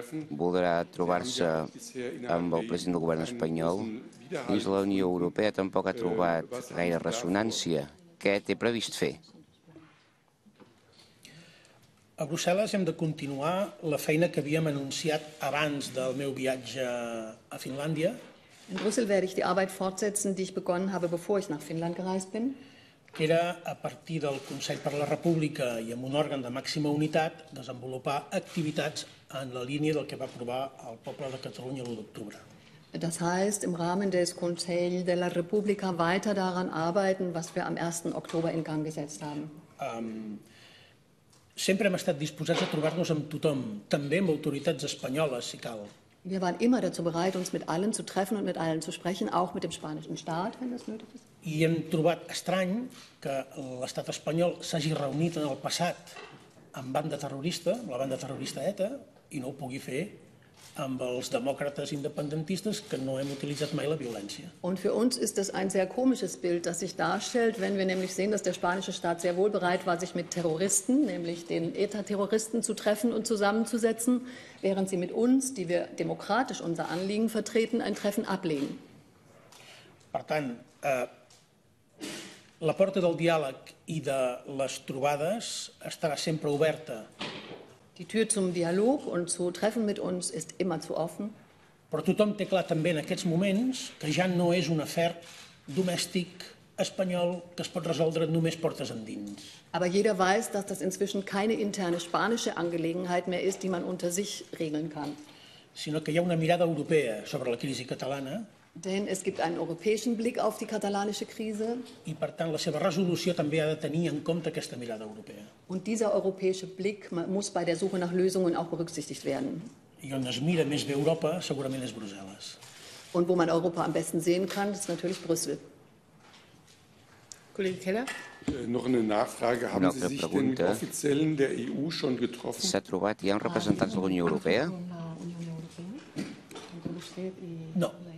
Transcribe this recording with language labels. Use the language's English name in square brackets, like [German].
[Catalan] Voldrà trobar-se amb el president del govern espanyol? Dins la Unió Europea tampoc ha trobat gaire ressonància. Què té previst fer? A Brussel·les hem de continuar la feina que havíem anunciat abans del meu viatge a Finlàndia. [German] In Brüssel werde ich die Arbeit fortsetzen, die ich begonnen habe, bevor ich nach Finnland gereist bin. [Catalan] Era a partir del Consell per la República i amb un òrgan de màxima unitat desenvolupar activitats en la línia del que va aprovar el poble de Catalunya l'1 d'octubre. [German] Das heißt, im Rahmen des Consell de la República weiter daran arbeiten, was wir am 1. Oktober in Gang gesetzt haben. [Catalan] Sempre hem estat disposats a trobar-nos amb tothom, també amb autoritats espanyoles, si cal. [German] Wir waren immer dazu bereit, uns mit allen zu treffen und mit allen zu sprechen, auch mit dem spanischen Staat, wenn das nötig ist. [Catalan] I hem trobat estrany que l'estat espanyol s'hagi reunit en el passat amb banda terrorista, la banda terrorista ETA, i no ho pugui fer amb els demòcrates independentistes que no hem utilitzat mai la violència. [German] Und für uns ist das ein sehr komisches Bild, das sich darstellt, wenn wir nämlich sehen, dass der spanische Staat sehr wohl bereit war, sich mit Terroristen, nämlich den ETA-Terroristen, zu treffen und zusammenzusetzen, während sie mit uns, die wir demokratisch unser Anliegen vertreten, ein Treffen ablehnen. [Catalan] Per tant, la porta del diàleg i de les trobades estarà sempre oberta. [German] Die Tür zum Dialog und zu Treffen mit uns ist immer zu offen. [Catalan] Però tothom té clar també en aquests moments que ja no és un afer domèstic espanyol que es pot resoldre només portes endins. [German] Aber jeder weiß, dass das inzwischen keine interne spanische Angelegenheit mehr ist, die man unter sich regeln kann. [Catalan] Sinó que hi ha una mirada europea sobre la crisi catalana. [German] Denn es gibt einen europäischen Blick auf die katalanische Krise. [Catalan] I per tant la seva resolució també ha de tenir en compte aquesta mirada europea. [German] Und dieser europäische Blick muss bei der Suche nach Lösungen auch berücksichtigt werden. [Catalan] I on es mira més bé Europa, segurament és Brussel·les. [German] Und wo man Europa am besten sehen kann, ist natürlich Brüssel. Kollege Keller? Noch eine Nachfrage. Haben Sie sich denn mit Offiziellen der EU schon getroffen? [Catalan] S'ha trobat ja un representant de la Unió Europea? No.